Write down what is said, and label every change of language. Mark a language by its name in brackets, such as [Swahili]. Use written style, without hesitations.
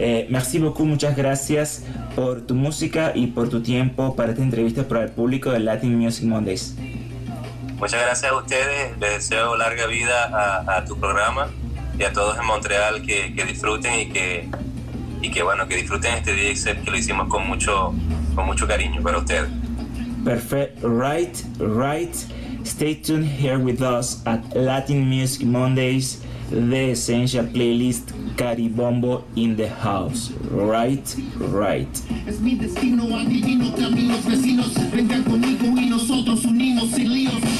[French] Merci beaucoup, [Spanish] muchas gracias por tu música y por tu tiempo para esta entrevista para el público de Latin Music Mondays. Muchas gracias a ustedes, les deseo larga vida a tu programa y a todos en Montreal que disfruten y que disfruten este DJ set que lo hicimos con mucho cariño para ustedes. [English] Perfect, right. Stay tuned here with us at Latin Music Mondays, The Essential Playlist, Cari Bombo in the house. Right. [Spanish] Es mi destino, adivino que a mí los vecinos vengan conmigo y nosotros unimos sin líos.